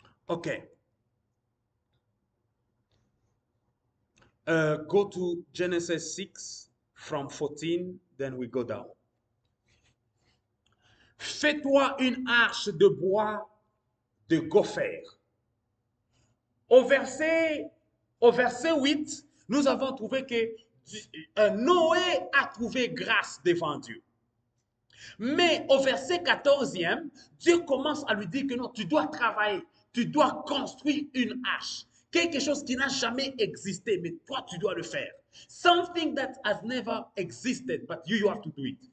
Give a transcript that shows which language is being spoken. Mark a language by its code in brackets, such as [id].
[en] Okay. Go to Genesis 6 from 14, then we go down. [fr] Fais-toi une arche de bois de gopher. Au verset 8, nous avons trouvé que Noé a trouvé grâce devant Dieu. Mais au verset 14, Dieu commence à lui dire que non, tu dois travailler, tu dois construire une arche. Quelque chose qui n'a jamais existé, mais toi, tu dois le faire. [en] Something that has never existed, but you have to do it.